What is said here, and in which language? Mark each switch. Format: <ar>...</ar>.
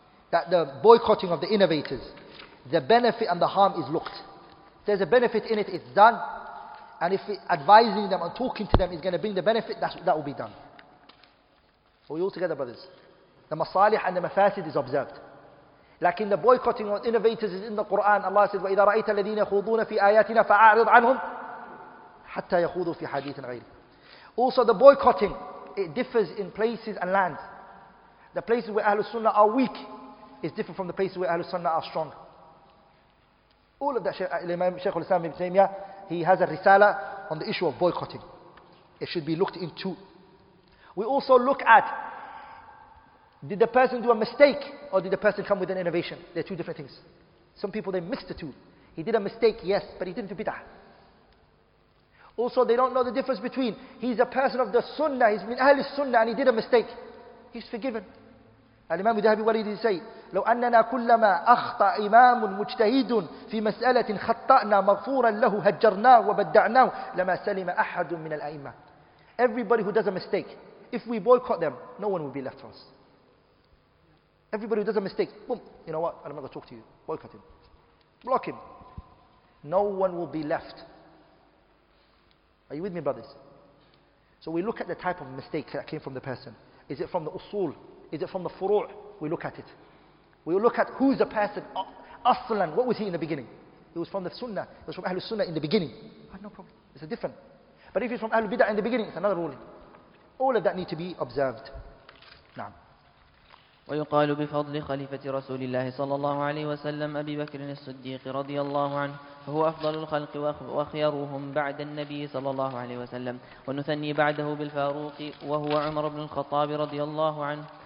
<en>That the boycotting of the innovators, the benefit and the harm is looked. If there's a benefit in it, it's done. And if it, advising them and talking to them is going to bring the benefit, that will be done. Are we all together, brothers? The masalih and the mafasid is observed. Like in the boycotting of innovators is in the Quran. Allah says,</en> <ar>وَإِذَا رَأَيْتَ الَّذِينَ يَخُوضُونَ فِي آيَاتِنَا فَأَعْرِضْ عَنْهُمْ حَتَّى يَخُوضُوا فِي حَدِيثٍ غَيْرٍ.</ar> <en>Also, the boycotting, it differs in places and lands. The places where Ahlul Sunnah are weak is different from the places where Ahlul Sunnah are strong. All of that, Shaykh al-Islam ibn Taymiyyah, he has a risala on the issue of boycotting. It should be looked into. We also look at, did the person do a mistake or did the person come with an innovation? They're two different things. Some people, they mix the two. He did a mistake, yes, but he didn't do bid'ah. Also, they don't know the difference between, he's a person of the sunnah, he's</en> <ar>min ahli sunnah,</ar> <en>and he did a mistake. He's forgiven. Al-Imam al-Dhahabi, what did he say?</en> <ar>لو أننا كلما أخطأ إمام مجتهد في مسألة خطأنا مغفورا له هجرناه وبدعناه لما سلم أحد من الأئمة.</ar> <en>Everybody who does a mistake, if we boycott them, no one will be left for us. Everybody who does a mistake, boom, you know what? I'm not going to talk to you. Boycott him. Block him. No one will be left. Are you with me, brothers? So we look at the type of mistake that came from the person. Is it from the usul? Is it from the furu'? We look at it. We look at who's the person. Aslan, what was he in the beginning? He was from the sunnah. He was from Ahlul Sunnah in the beginning. I have no problem. It's a different. But if he's from Ahlul Bid'ah in the beginning, it's another ruling. All of that need to be observed.</en> <ar>Naam. ويقال بفضل خليفة رسول الله صلى الله عليه وسلم أبي بكر الصديق رضي الله عنه فهو أفضل الخلق وخيروهم بعد النبي صلى الله عليه وسلم ونثني بعده بالفاروق وهو عمر بن الخطاب رضي الله عنه</ar>